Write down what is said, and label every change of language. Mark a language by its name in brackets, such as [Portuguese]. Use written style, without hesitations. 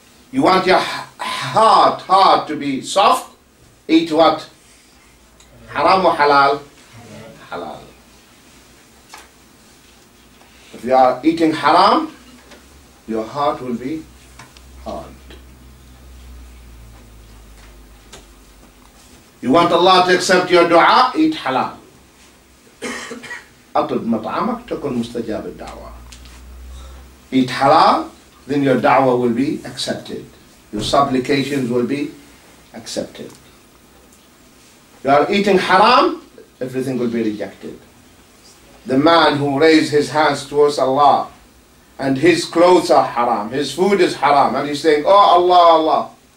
[English] You want your heart to be soft, eat what? Haram or halal? Halal. If you are eating haram, your heart will be hard. You want Allah to accept your dua? Eat halal. [Arabic] أطلب مطعمك تكون مستجاب الدعوة. [English] Eat halal, then your dua will be accepted. Your supplications will be accepted. You are eating haram, everything will be rejected. The man who raised his hands towards Allah and his clothes are haram, his food is haram, and he's saying, oh Allah, Allah.